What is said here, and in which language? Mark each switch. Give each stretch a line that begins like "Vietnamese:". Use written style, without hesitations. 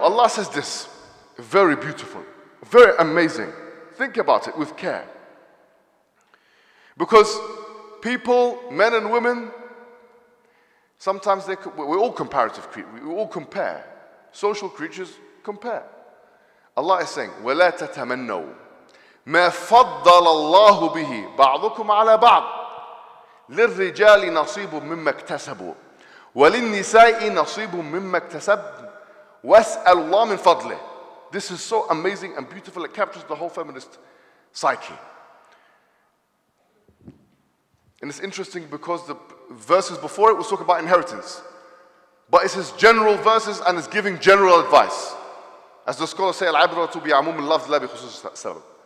English: Allah says this, very beautiful, very amazing. Think about it with care. Because people, men and women, sometimes we're all comparative creatures, we all compare. Social creatures compare. Allah is saying,
Arabic: وَلَا تَتَمَنَّوْا مَا فَضَّلَ اللَّهُ بِهِ بَعْضُكُمْ عَلَى بَعْضٍ لِلرِّجَالِ نَصِيبٌ مِمَّا اكْتَسَبُوا وَلِلنِّسَاءِ نَصِيبٌ مِمَّا اكْتَسَبْنَ وَاسْأَلُوا اللَّهَ مِنْ فَضْلِهِ.
English: This is so amazing and beautiful. It captures the whole feminist psyche. And it's interesting because the verses before it was talking about inheritance. But it's his general verses and it's giving general advice. As the scholars say,
Arabic: Al-Ibra to be Amum al-Lafz la bi khusus sabab.